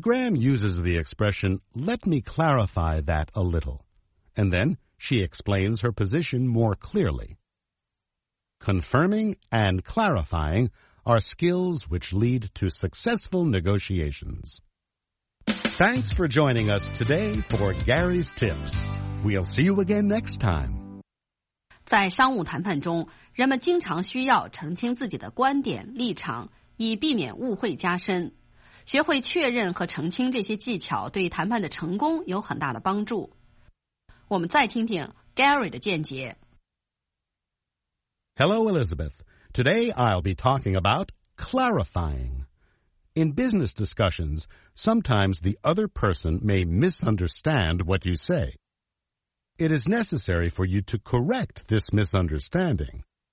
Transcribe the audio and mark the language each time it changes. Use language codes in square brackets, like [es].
[en] Graham uses the expression, "Let me clarify that a little," and then she explains her position more clearly. Confirming and clarifying are skills which lead to successful negotiations. Thanks for joining us today for Gary's Tips. We'll see you again next time. [zh] 在商务谈判中，人们经常需要澄清自己的观点、立场，以避免误会加深。学会确认和澄清这些技巧，对谈判的成功有很大的帮助。我们再听听 Gary 的见解。 [en] Hello, Elizabeth. Today I'll be talking about clarifying. In business discussions, sometimes the other person may misunderstand what you say. It is necessary for you to correct this misunderstanding.